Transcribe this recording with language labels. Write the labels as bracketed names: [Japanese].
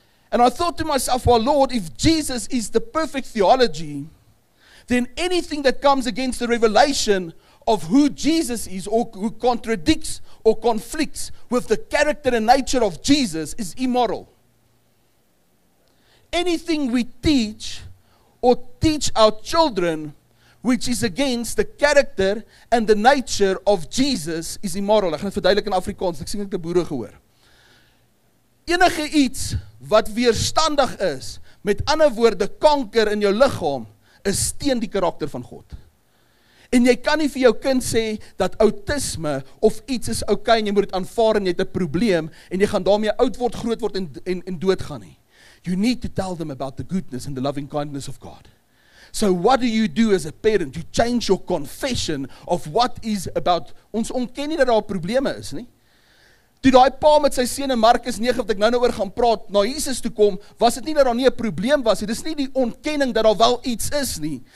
[English] And I thought to myself, well, Lord, if Jesus is the perfect theology, then anything that comes against the revelation of who Jesus is or who contradicts or conflicts with the character and nature of Jesus is immoral. Anything we teach or teach our children which is against the character and the nature of Jesus is immoral. [Afrikaans] Ek gaan dit verduidelik in Afrikaans, ek sien ek te boere gehoor. Enige iets wat weerstandig is, met ander woorde kanker in jou liggaam, is teen die karakter van God. En jy kan nie vir jou kind sê dat autisme of iets is oké en jy moet dit aanvaar en jy het 'n probleem en jy gaan daarmee oud word, groot word en dood gaan nie. [English] You need to tell them about the goodness and the loving kindness of God. So what do you do as a parent? You change your confession of what is about. [Afrikaans] Ons ontken nie dat daar probleme is nie. Toe daai pa met sy seun in Markus 9 wat ek nou oor gaan praat, na Jesus toe kom, was dit nie dat daar nie 'n probleem was nie. Dis nie die ontkenning dat daar wel iets is nie.